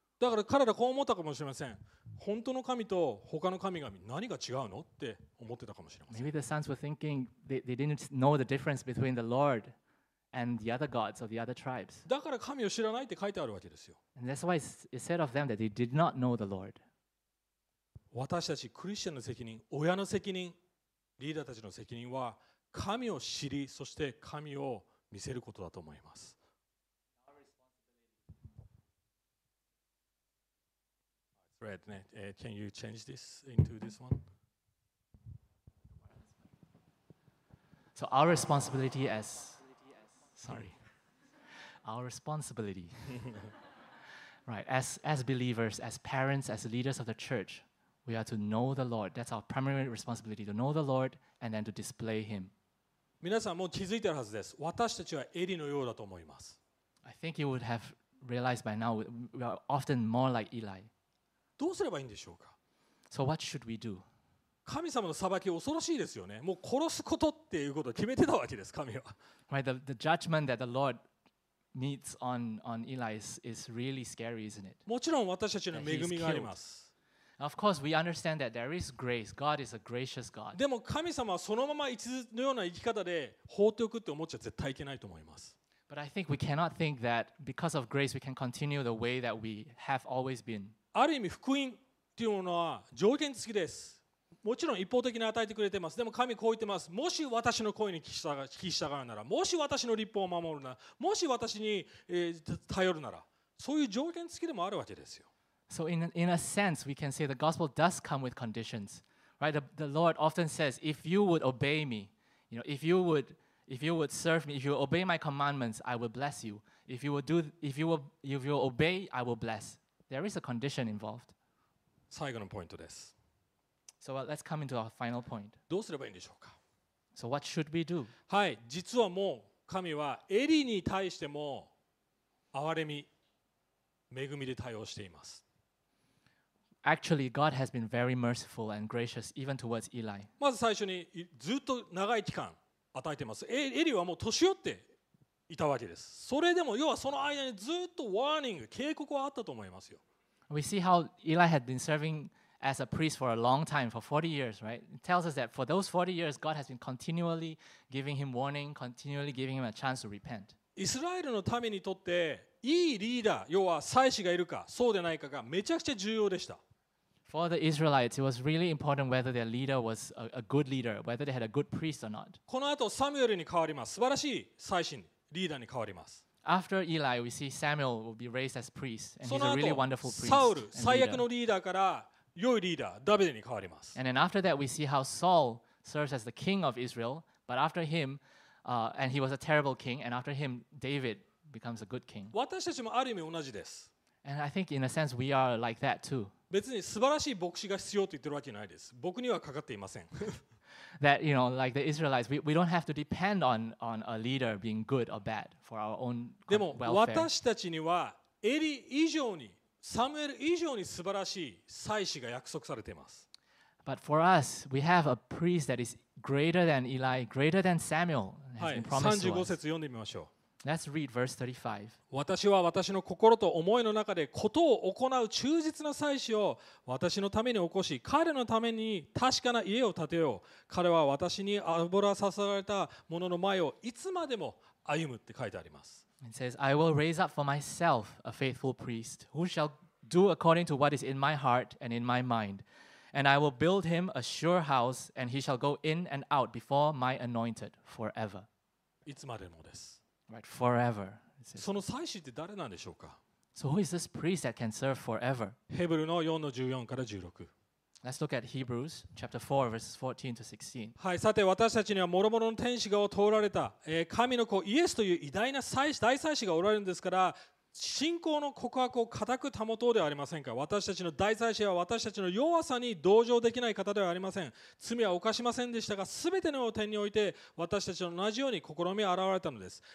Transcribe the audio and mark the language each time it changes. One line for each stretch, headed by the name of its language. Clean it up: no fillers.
Japanese: だから彼らこう思ったかもしれません。本当の神と他の神々何が違うのって思ってたかもしれません。
English: Maybe the sons were thinking they didn't know the difference between the Lord and the other gods of the other tribes.
Japanese: だから神を知らないって書いてあるわけですよ。
English: And that's why it said of them that they did not know the Lord.
Japanese: 私たちクリスチャンの責任、親の責任、リーダーたちの責任は神を知り、そして神を見せることだと思います。
English: Red, can you change this into this one? So our responsibility as, sorry, our responsibility, right, as believers, as parents, as leaders of the church, we are to know the Lord. That's our primary responsibility, to know the Lord and then to display him.
Japanese: 皆さんもう気づいてるはずです。私たちはエリのようだと思います。
English: I think you would have realized by now we are often more like Eli.
Japanese: どうすればいいんでしょうか。
English: So what should we do?
Japanese: 神様の裁き恐ろしいですよね。もう殺すことっていうことを決めてたわけです。神は。
English: Right, the judgment that the Lord meets on Eli is really scary, isn't it?
Japanese: もちろん私たちには恵みがあります。
English: Of course, we understand that there is grace. God is a gracious God.
Japanese: でも神様はそのまま一途のような生き方で放っておくって思っちゃ絶対いけないと思います。
English: But I think we cannot think that because of grace we can continue the way that we have always been.
Japanese: ある意味福音というものは条件付きです。もちろん一方的に与えてくれてます。でも神こう言ってます。もし私の声に聞き従うなら、もし私の律法を守るなら、もし私に頼るなら、そういう条件付きでもあるわけですよ。
English: So in a sense, we can say the gospel does come with conditions, right? The Lord often says, if you would obey me, you know, if you would serve me, if you obey my commandments, I will bless you. If you will obey, I will bless. There is a condition involved.
Japanese: 最後のポイントです。
English: So let's come into our final point.
Japanese: どうすればいいんでしょうか?
English: So what should we do?
Japanese: はい、実はもう神はエリに対しても憐れみ、恵みで対応しています。
English: Actually, God has been very merciful and gracious even towards Eli.
Japanese: まず最初にずっと長い期間与えています。エリはもう年寄っていたわけです。それでも要はその間にずっとワーニング、警告はあったと思いますよ。
English: We see how Eli had been serving as a priest for a long time, for 40 years, right? It tells us that for those 40 years, God has been continually giving him warning, continually giving him a chance to repent.
Japanese: イスラエルの民にとっていいリーダー、要は祭司がいるかそうでないかがめちゃくちゃ重要でした。
English: For the Israelites, it was really important whether their leader was a good leader, whether they had a good priest or not.
Japanese: この後サミュエルに変わります。素晴らしい祭司リーダーに変わります。
English: After Eli, we see Samuel will be raised as priest, and he's a really wonderful priest.
Japanese: サウル、最悪のリーダーから良いリーダー、ダビデに変わります。
English: And then after that, we see how Saul serves as the king of Israel, but after him, and he was a terrible king, and after him, David. Becomes a good king.
Japanese: 私たちもある意味同じです。
English: And I think in a sense we are like that too.
Japanese: 別に素晴らしい牧師が必要と言ってるわけないです。僕にはかかっていません。
English: That you know, like the Israelites, we don't have to depend on a leader being good or bad for our own welfare.
Japanese: でも私たちにはエリ以上にサムエル以上に素晴らしい祭司が約束されています。
English: But for us, we have a priest that is greater than Eli, greater than Samuel.
Japanese: はい。35節読んでみましょう。
English: Let's read verse 35.
Japanese: 私は私の心と思いの中でことを行う忠実な祭司を私のために起こし、彼のために確かな家を建てよう。彼は私に油を捧げられた者の前をいつまでも歩むって書いてあります。
English: It says, I will raise up for myself a faithful priest who shall do according to what is in my heart and in my mind. And I will build him a sure house and he shall go in and out before my anointed forever.
Japanese: いつまでもです。
English: Right, forever.
Japanese: その祭司って誰なんでしょうか?
English: So who is this priest that can serve forever?
Japanese: ヘブルの4の14から16.
English: Let's look at Hebrews chapter 4 verses 14 to 16.
Japanese: はい、さて私たちには諸々の天使が通られた、神の子イエスという偉大な祭司、大祭司がおられるんですから、信仰の告白を固く保とうではありませんか。私たちの大祭司は私たちの弱さに同情できない方ではありません。罪は犯しませんでしたが、すべての点において私たちと同じように試み現れたのです。